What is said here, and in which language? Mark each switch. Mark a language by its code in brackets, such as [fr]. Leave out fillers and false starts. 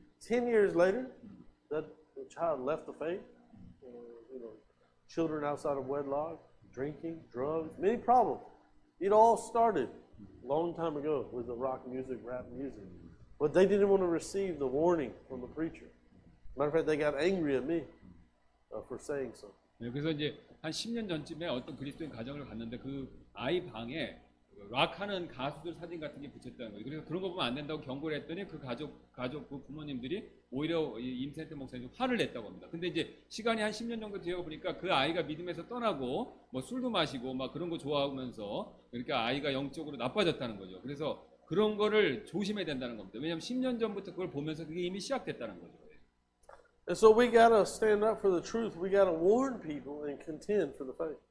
[en] 10 years later, that child left the faith. You know, children outside of wedlock, drinking, drugs, many problems. It all started a long time ago with the rock music, rap music. But they didn't want to receive the warning from the preacher. Matter of fact, they got angry at me for saying so. [ko] 네, 그래서 이제 한 10년 전쯤에 어떤 그리스도인 가정을 갔는데 그 아이 방에 락하는 가수들 사진 같은 게 붙였다는 거예요. 그래서 그런 거 보면 안 된다고 경고를 했더니 그 가족 그 부모님들이 오히려 임센트 목사님이 화를 냈다고 합니다. 근데 이제 시간이 한 10년 정도 되어 보니까 그 아이가 믿음에서 떠나고 뭐 술도 마시고 막 그런 거 좋아하면서 이렇게 아이가 영적으로 나빠졌다는 거죠. 그래서 그런 거를 조심해야 된다는 겁니다. 왜냐면 10년 전부터 그걸 보면서 그게 이미 시작됐다는 거죠. [en] And so we got to stand up for the truth. We got to warn people and contend for the faith.